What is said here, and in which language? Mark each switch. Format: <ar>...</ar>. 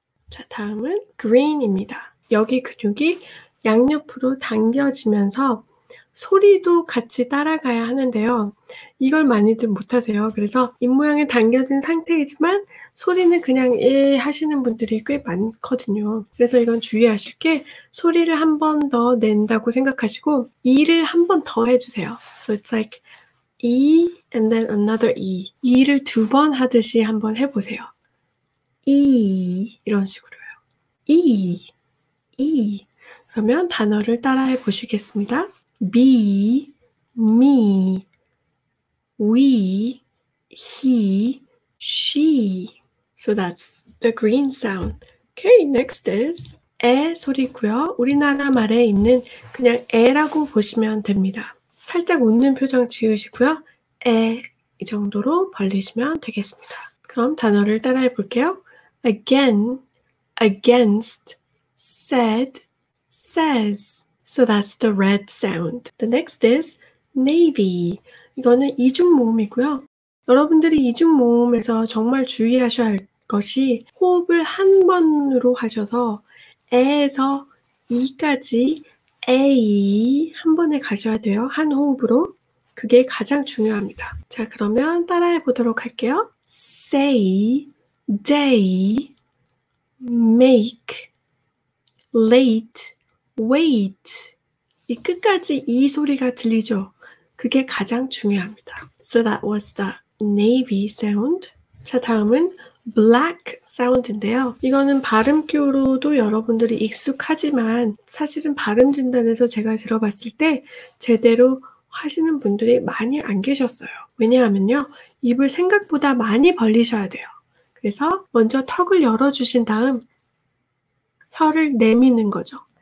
<ko>자, 다음은 green입니다. 여기 근육이 양옆으로 당겨지면서 소리도 같이 따라가야 하는데요. 이걸 많이들 못하세요. 그래서 입 모양이 당겨진 상태이지만 소리는 그냥 에 하시는 분들이 꽤 많거든요. 그래서 이건 주의하실 게 소리를 한 번 더 낸다고 생각하시고 이를 한 번 더 해주세요.</ko> <en>So it's like E and then another E.</en> <ko>E를 두 번 하듯이 한번 해보세요. E 이런 식으로요. E, E. 그러면 단어를 따라해 보시겠습니다.</ko> <en>Be, me, we, he, she. So that's the green sound. Okay, next is</en> <ko>에 소리고요. 우리나라 말에 있는 그냥 에라고 보시면 됩니다. 살짝 웃는 표정 지으시고요. 에 이 정도로 벌리시면 되겠습니다. 그럼 단어를 따라해 볼게요.</ko> <en>Again, against, said, says. So that's the red sound. The next is navy.</en> <ko>이거는 이중 모음이고요. 여러분들이 이중 모음에서 정말 주의하셔야 할 것이 호흡을 한 번으로 하셔서 에에서 이까지 A 한 번에 가셔야 돼요. 한 호흡으로. 그게 가장 중요합니다. 자, 그러면 따라해 보도록 할게요.</ko> <en>Say, day, make, late, wait.</en> <ko>이 끝까지 이 소리가 들리죠? 그게 가장 중요합니다.</ko> <en>So that was the navy sound.</en> <ko>자, 다음은 black sound인데요. 이거는 발음교로도 여러분들이 익숙하지만 사실은 발음 진단에서 제가 들어봤을 때 제대로 하시는 분들이 많이 안 계셨어요. 왜냐하면요. 입을 생각보다 많이 벌리셔야 돼요. 그래서 먼저 턱을 열어주신 다음 혀를 내미는 거죠.</ko>